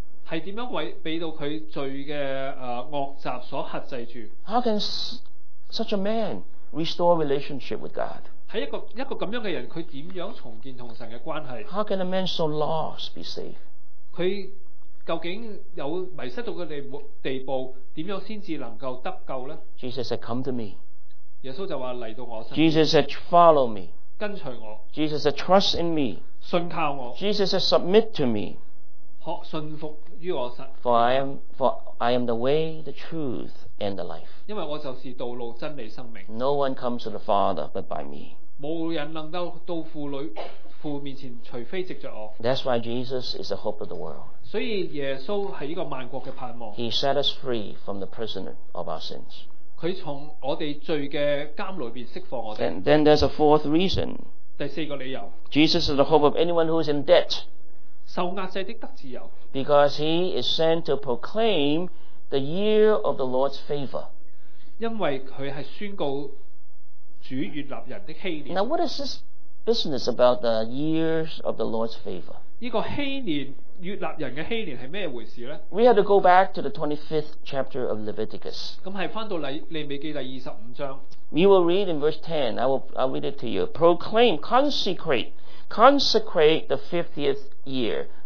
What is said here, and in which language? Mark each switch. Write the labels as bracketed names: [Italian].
[Chinese] 是怎样被到他罪的恶习所核制住? [English] How can such a man restore relationship with God? [Chinese] 一个这样的人他怎样重建和神的关系 [English] How can a man so lost be saved? [Chinese] 他究竟有迷失到的地步怎样才能够得救呢 [English] Jesus said come to me [Chinese] 耶稣就说来到我身边 [English] Jesus said follow me [Chinese] 跟随我 [English] Jesus said trust in me [Chinese] 信靠我 [English] Jesus said submit to me [Chinese] 学信服于我神 [English] For I am the way, the truth, and the life. [Chinese] 因为我就是道路、真理、生命。 [English] No one comes to the Father but by me. [Chinese] 无人能够到父面前，除非藉着我。 [English] That's why Jesus is the hope of the world. [Chinese] 所以耶稣是一个万国的盼望。 [English] He set us free from the prison of our sins. [Chinese] 他从我们罪的监牢里面释放我们。 [English] And then there's a fourth reason. [Chinese] 第四个理由。 [English] Jesus is the hope of anyone who is in debt. [Chinese] 受压制的得自由。 [English] Because he is sent to proclaim the year of the Lord's favor. [Chinese] 因为他是宣告主悦纳人的禧年。 [English] Now what is this business about the years of the Lord's favor? [Chinese] 这个禧年悦纳人的禧年是什么回事呢？ [English] We have to go back to the 25th chapter of Leviticus. [Chinese] 那是回到利未记第25章。 [English] You will read in verse 10. I'll read it to you. Proclaim, consecrate. Consecrate the 50th year.